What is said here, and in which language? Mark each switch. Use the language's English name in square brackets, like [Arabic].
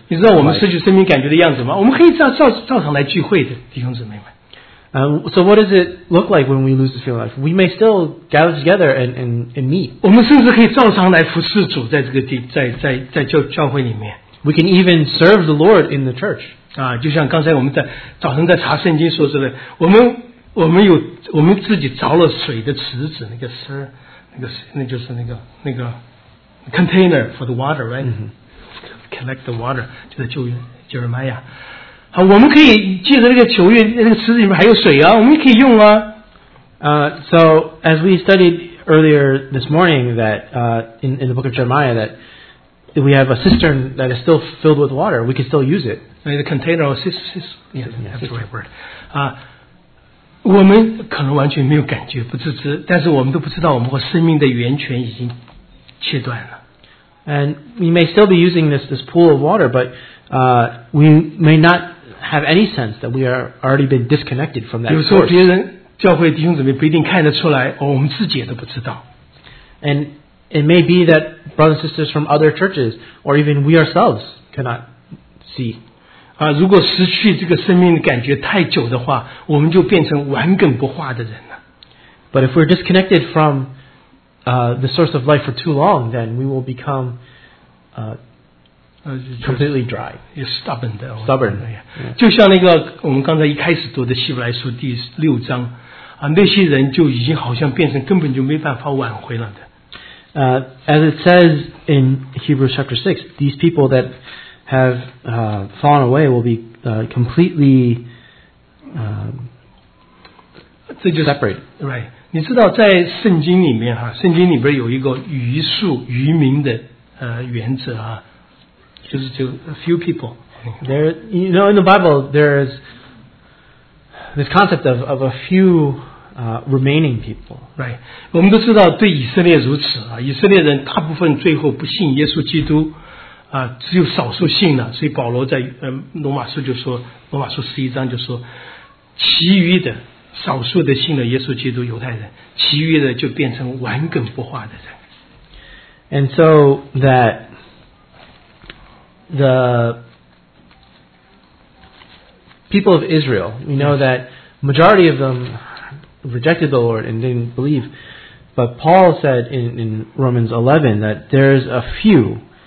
[Chinese] 你知道我们失去生命感觉的样子吗？我们可以照常来聚会的，弟兄姊妹们。 [English] So what does it look like when we lose the feeling of life? We may still gather together and meet. [Chinese] 我们甚至可以照常来服侍主，在这个地，在教会里面。 [English] We can even serve the Lord in the church. [Chinese] 啊，就像刚才我们在早晨在查圣经说之类，我们有我们自己着了水的池子，那个池。那就是那个 [English] container for the water, right?、 Mm-hmm. Collect the water, [Chinese] 就是旧约 [English] Jeremiah. [Chinese] 好，我们可以借着那个旧约那个池子里面还有水啊，我们可以用啊。 [English] So as we studied earlier this morning, that in the book of Jeremiah, that we have a cistern that is still filled with water, we can still use it. The container or cistern, yeah, that's the right word. [Chinese] 我们可能完全没有感觉，不自知，但是我们都不知道我们和生命的源泉已经切断了。 [English] And we may still be using this pool of water, but we may not have any sense that we are already been disconnected from that source. [Chinese] 有时候别人教会弟兄姊妹不一定看得出来，我们自己也都不知道。 [English] And it may be that brothers and sisters from other churches, or even we ourselves, cannot see. [Chinese] 如果失去这个生命的感觉太久的话，我们就变成顽梗不化的人了。 [English] But if we're disconnected from the source of life for too long, then we will become completely dry. Stubborn. Yeah. [Chinese] 就像那个我们刚才一开始读的希伯来书第六章啊，那些人就已经好像变成根本就没办法挽回了的。 [English] As it says in Hebrews chapter 6, these people that have fallen away will be completely separate. Right. [Chinese] 你知道在圣经里面哈，圣经里边有一个余数余民的原则啊，就是就 [English] a few people. There, you know, in the Bible, there is this concept of a few remaining people. Right. [Chinese] 我们都知道对以色列如此啊，以色列人大部分最后不信耶稣基督。只有少数信了，所以保罗在罗马书十一章就说，其余的少数的信了耶稣基督，犹太人，其余的就变成顽梗不化的人。 [English] And so that the people of Israel, we know that majority of them rejected the Lord and didn't believe, but Paul said in Romans 11 that there's a few.